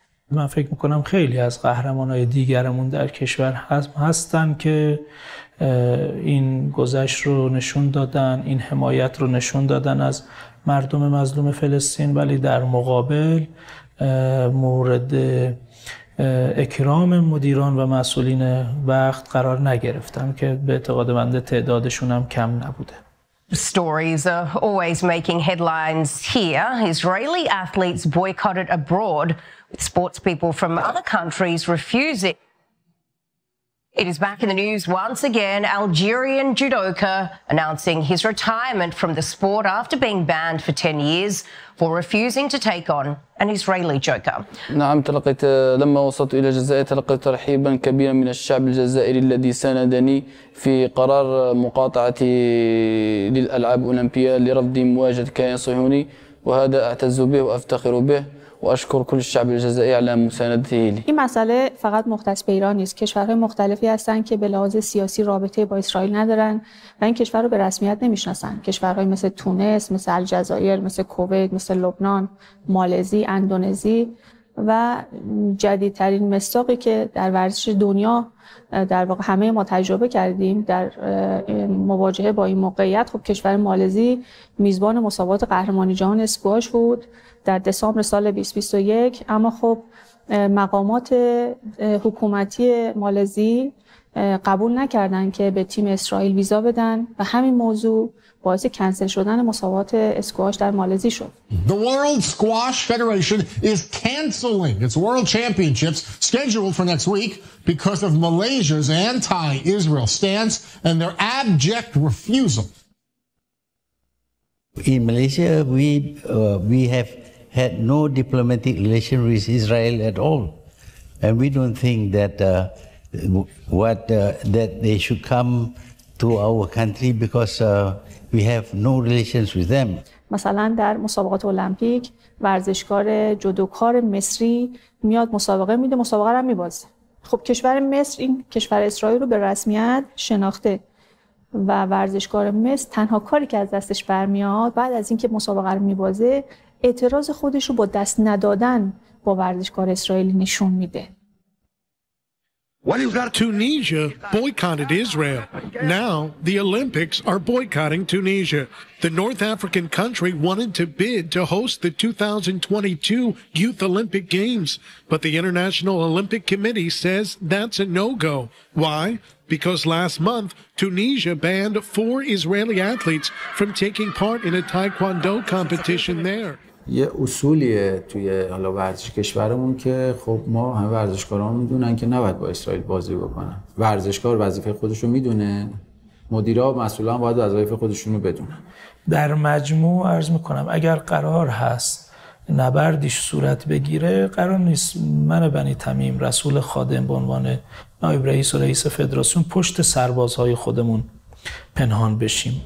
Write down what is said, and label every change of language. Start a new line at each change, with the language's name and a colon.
Persian: من فکر میکنم خیلی از قهرمانای دیگرمون در کشور هستن که این گذشت رو نشون دادن، این حمایت رو نشون دادن از مردم مظلوم فلسطین، ولی در مقابل مورد اکرام مدیران و مسئولین وقت قرار نگرفتن که به اعتقاد بنده تعدادشون هم کم نبوده.
English: Stories are always making headlines here. Israeli athletes boycotted abroad, with sports people from other countries refusing. It is back in the news once again. Algerian judoka announcing his retirement from the sport after being banned for 10 years for refusing to take on an Israeli joker.
Arabic: نعم تلقيت لما وصلت الى الجزائر تلقيت ترحيبا كبيرا من الشعب الجزائري الذي ساندني في قرار مقاطعتي للالعاب الاولمبيه لرفض مواجهه كيان صهيوني، وهذا اعتز به وافتخر به. و اشکر کل شعب الجزائر علی مسانده لی.
Persian: این مسئله فقط مختص به ایران نیست. کشورهای مختلفی هستن که به لحاظ سیاسی رابطه با اسرائیل ندارن و این کشور رو به رسمیت نمیشناسن. کشورهای مثل تونس، مثل الجزایر، مثل کویت، مثل لبنان، مالزی، اندونزی و جدیدترین مساقی که در ورزش دنیا در واقع همه ما تجربه کردیم در مواجهه با این موقعیت، خب کشور مالزی میزبان مسابقات قهرمانی جهان اسکواش بود در دسامبر سال 2021، اما خب مقامات حکومتی مالزی قبول نکردند که به تیم اسرائیل ویزا بدن و همین موضوع باعث کنسل شدن مسابقات اسکواش در مالزی شد.
English: The World Squash Federation is canceling its World Championships scheduled for next week because of Malaysia's anti-Israel stance and their abject refusal. In Malaysia we have had no diplomatic relation with Israel at all, and we don't think that that they should come to our country because we have no relations with them.
Persian: مثلا در مسابقات المپیک ورزشکار جودوکار مصری میاد مسابقه میده، مسابقه رو میبازه. خب کشور مصر این کشور اسرائیل رو به رسمیت شناخته و ورزشکار مصر تنها کاری که از دستش برمیاد بعد از اینکه مسابقه رو میبازه اعتراض خودش رو با دست ندادن با ورزشکار اسرائیلی نشون میده.
English: Tunisia boycotted Israel. Now the Olympics are boycotting Tunisia. The North African country wanted to bid to host the 2022 Youth Olympic Games, but the International Olympic Committee says that's a no-go. Why? Because last month, Tunisia banned 4 Israeli athletes from taking part in a taekwondo competition there.
Persian: یه اصولیه توی حالا ورزش کشورمون که خب ما همه ورزشکارامون میدونن که نباید با اسرائیل بازی بکنن. ورزشکار وظیفه خودش رو میدونه، مدیرها و مسئولا باید وظایف خودشون رو بدونن. در مجموع عرض میکنم اگر قرار هست نبردیش صورت بگیره، قرار نیست من بنی تمیم رسول خادم به عنوان نایب رئیس و رئیس فدراسیون پشت سربازهای خودمون پنهان بشیم.